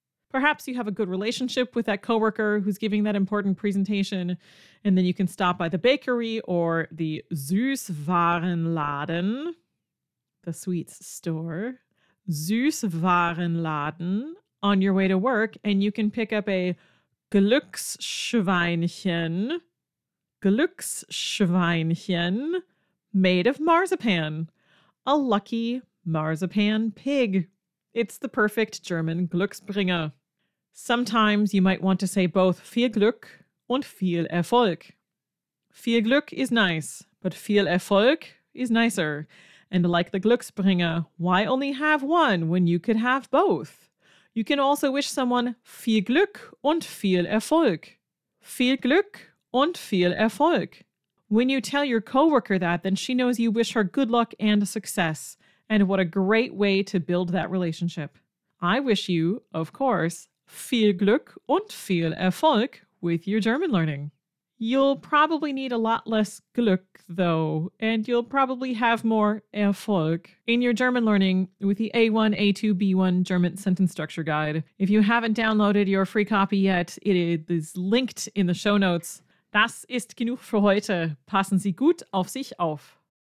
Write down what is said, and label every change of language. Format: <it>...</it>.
<en>Perhaps you have a good relationship with that coworker who's giving that important presentation, and then you can stop by the bakery or the Süßwarenladen, the sweets store, Süßwarenladen, on your way to work, and you can pick up a Glücksschweinchen, made of marzipan, a lucky marzipan pig. It's the perfect German Glücksbringer. Sometimes you might want to say both</en> <de>viel Glück und viel Erfolg.</de> <en>Viel Glück is nice, but viel Erfolg is nicer. And like the Glücksbringer, why only have one when you could have both? You can also wish someone</en> <de>viel Glück und viel Erfolg. Viel Glück und viel Erfolg.</de> <en>When you tell your coworker that, then she knows you wish her good luck and success. And what a great way to build that relationship. I wish you, of course,</en> <de>viel Glück und viel Erfolg</de> <en>with your German learning. You'll probably need a lot less Glück, though, and you'll probably have more Erfolg in your German learning with the A1, A2, B1 German Sentence Structure Guide. If you haven't downloaded your free copy yet, it is linked in the show notes.</en> <de>Das ist genug für heute. Passen Sie gut auf sich auf.</de>